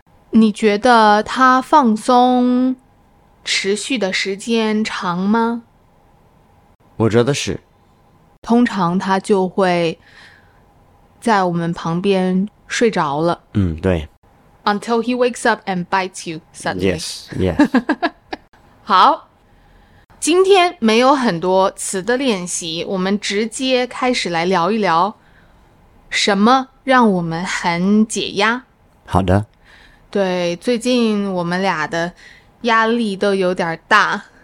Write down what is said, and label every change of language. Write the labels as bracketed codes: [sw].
[zh] 你觉得他放松持续的时间长吗？我觉得是。通常他就会在我们旁边睡着了。对。 [en] Until he wakes up and bites you suddenly. Yes, yes. [zh] 好，今天没有很多词的练习，我们直接开始来聊一聊什么让我们很解压。好的。对，最近我们俩的压力都有点大。